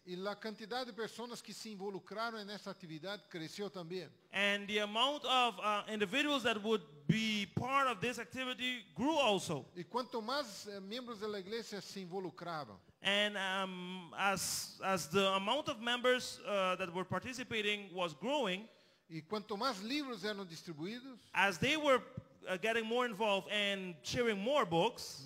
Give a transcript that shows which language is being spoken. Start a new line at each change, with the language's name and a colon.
Portuguese: E a quantidade de pessoas que se involucraram nessa atividade cresceu também.
English: And the amount of individuals that would be part of this activity grew also.
Portuguese: E quanto mais membros da igreja se involucravam.
English: And as the amount of members that were participating was growing.
Portuguese: E quanto mais livros eram distribuídos.
English: As they were getting more involved and sharing more books.